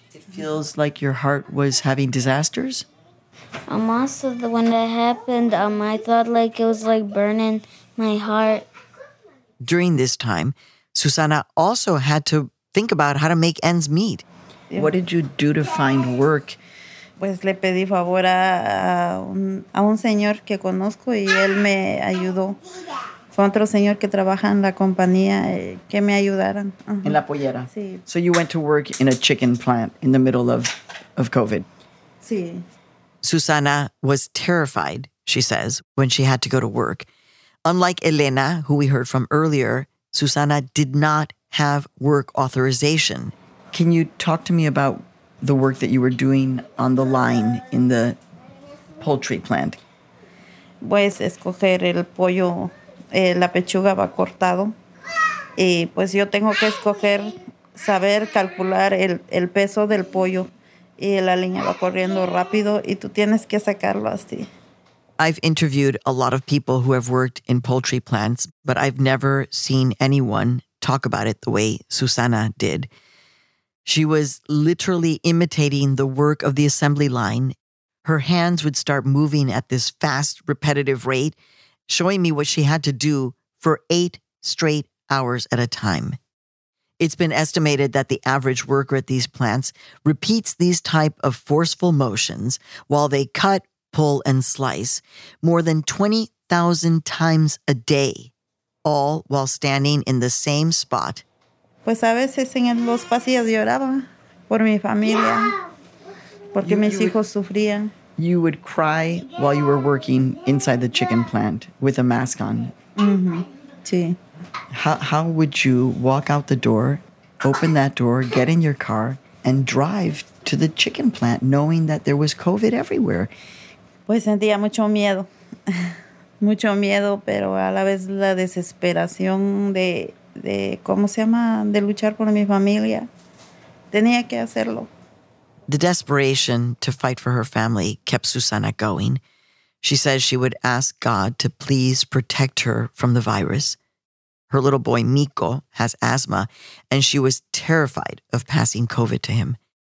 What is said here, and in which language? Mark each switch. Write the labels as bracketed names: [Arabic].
[English] feels like your heart was having disasters? Most of the when that happened, I thought like it was like burning my heart. During this time, Susana also had to think about how to make ends meet. Yeah. What did you do to find work? [Spanish] Pues le pedí favor a un señor que conozco y él me ayudó. Fue otro señor que trabaja en la compañía que me ayudaran. Uh-huh. En la pollera. Sí. [English] So you went to work in a chicken plant in the middle of COVID. [Spanish] Sí. [English] Susana was terrified, she says, when she had to go to work. Unlike Elena, who we heard from earlier, Susana did not have work authorization. Can you talk to me about the work that you were doing on the line in the poultry plant? [Spanish] Pues escoger el pollo, la pechuga va cortado. Y pues yo tengo que escoger, saber calcular el peso del pollo. Y la línea va corriendo rápido y tú tienes que sacarlo así. [English] I've interviewed a lot of people who have worked in poultry plants, but I've never seen anyone talk about it the way Susana did. She was literally imitating the work of the assembly line. Her hands would start moving at this fast, repetitive rate, showing me what she had to do for 8 straight hours at a time. It's been estimated that the average worker at these plants repeats these type of forceful motions while they cut, pull, and slice more than 20,000 times a day, all while standing in the same spot. [Spanish] Pues a veces en los pasillos lloraba por mi familia, porque mis hijos sufrían. [English] You would cry while you were working inside the chicken plant with a mask on. [Spanish] Mm-hmm. Sí. [English] How would you walk out the door, open that door, get in your car, and drive to the chicken plant knowing that there was COVID everywhere? [Spanish] Pues sentía mucho miedo. Mucho miedo, pero a la vez la desesperación de ¿cómo se llama? De luchar por mi familia. Tenía que hacerlo. [English] The desperation to fight for her family kept Susana going. She says she would ask God to please protect her from the virus. Her little boy, Miko, has asthma, and she was terrified of passing COVID to him.